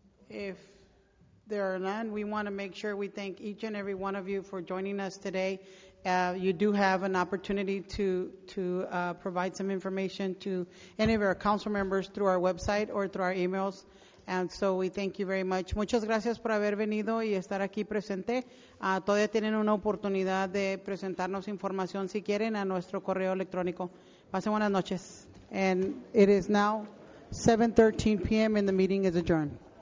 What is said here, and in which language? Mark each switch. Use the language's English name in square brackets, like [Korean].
[English] If there are none, we want to make sure we thank each and every one of you for joining us today. You do have an opportunity to provide some information to any of our council members through our website or through our emails. And so we thank you very much. [Spanish] Muchas gracias por haber venido y estar aquí presente. Todavía tienen una oportunidad de presentarnos información si quieren a nuestro correo electrónico. Pasen buenas noches. [English] And it is now 7:13 p.m. and the meeting is adjourned.